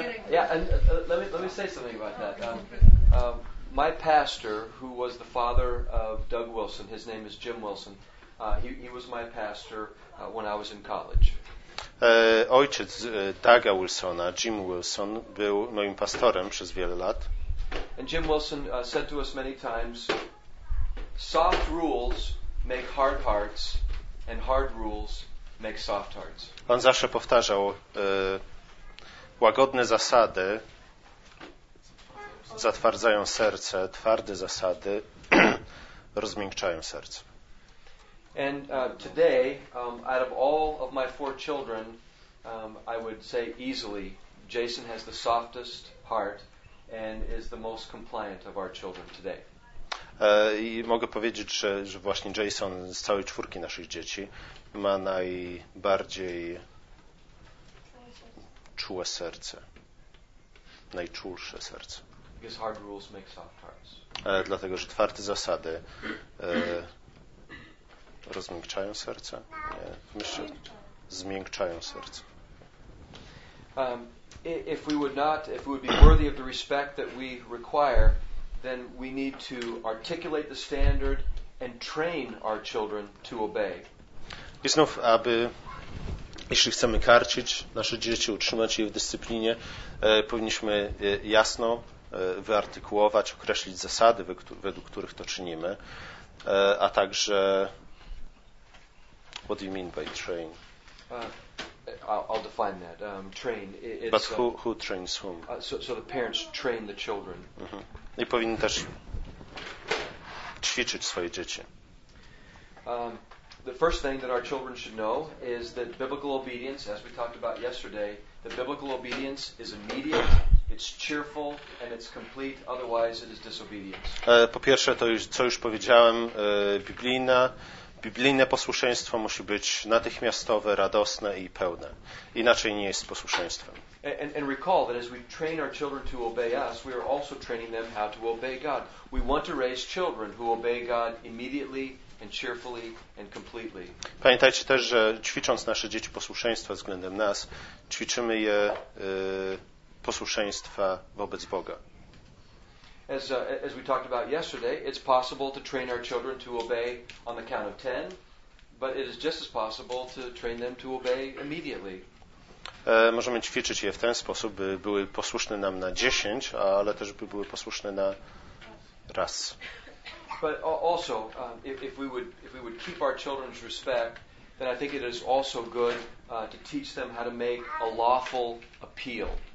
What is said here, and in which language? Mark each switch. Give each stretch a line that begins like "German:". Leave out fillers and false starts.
English: Yeah, and let me say something about that. My pastor, who was the father of Doug Wilson, his name is Jim Wilson. He was my pastor when I was in college.
Polish: Ojciec Daga Wilsona, Jim Wilson, był moim pastorem przez wiele lat.
English: And Jim Wilson said to us many times, soft rules make hard hearts, and hard rules make soft hearts.
Polish: On zawsze powtarzał, łagodne zasady zatwardzają serce, twarde zasady rozmiękczają serce.
English: And today, out of all of my four children, I would say easily, Jason has the softest heart and is the most compliant of our children today.
Polish: I mogę powiedzieć, że właśnie Jason z całej czwórki naszych dzieci ma najbardziej czułe serce. Najczulsze serce.
English: Because hard rules make soft hearts.
Polish: Dlatego, że twarde zasady rozmiękczają serce? Nie, myślę, zmiękczają serce.
English: If we would not, if we would be worthy of the respect that we require, then we need to articulate the standard and train our children to obey.
Polish: I znów, jeśli chcemy karcić nasze dzieci, utrzymać je w dyscyplinie, powinniśmy jasno wyartykułować, określić zasady, według których to czynimy, a także...
English: What do you mean by train? I'll define that. Train. It's, but who trains whom? So the parents train the children.
Polish: Mm-hmm. I powinni też ćwiczyć swoje dzieci.
English: The first thing that our children should know is that biblical obedience, as we talked about yesterday, the biblical obedience is immediate, it's cheerful, and it's complete. Otherwise, it is disobedience.
Polish: Po pierwsze, to już, co już powiedziałem, biblijna. Biblijne posłuszeństwo musi być natychmiastowe, radosne i pełne. Inaczej nie jest posłuszeństwem.
English: And recall that as we train our children to obey us, we are also training them how to obey God. We want to raise children who obey God immediately and cheerfully and completely.
Polish: Pamiętajcie też, że ćwicząc nasze dzieci posłuszeństwa względem nas, ćwiczymy je posłuszeństwa wobec Boga.
English: As we talked about yesterday, it's possible to train our children to obey on the count of 10, but it is just as possible to train them to obey immediately.
Polish: Możemy ćwiczyć je w ten sposób, by były posłuszne nam na 10, ale też by były posłuszne na raz.
English: But also, if we would keep our children's respect, then I think it is also good to teach them how to make a lawful appeal.